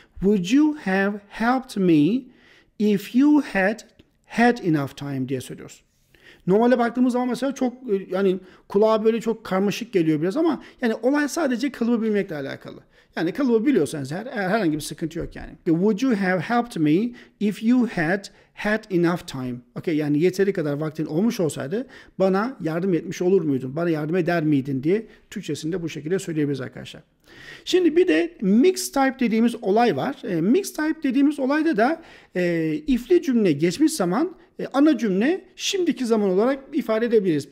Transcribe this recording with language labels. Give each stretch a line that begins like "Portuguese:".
English: Would you have helped me if you had had enough time
Turkish: diye söylüyoruz. Normale baktığımız zaman mesela çok yani kulağa böyle çok karmaşık geliyor biraz ama yani olay sadece kalıbı bilmekle alakalı. Yani kalıbı biliyorsanız eğer herhangi bir sıkıntı yok yani.
English: Would you have helped me if you had had enough time?
Turkish: Okay, yani yeteri kadar vaktin olmuş olsaydı bana yardım etmiş olur muydun? Bana yardım eder miydin diye Türkçesinde bu şekilde söyleyebiliriz arkadaşlar. Şimdi bir de mixed type dediğimiz olay var. Mixed type dediğimiz olayda da ifli cümle geçmiş zaman ana cümle şimdiki zaman olarak ifade edebiliriz.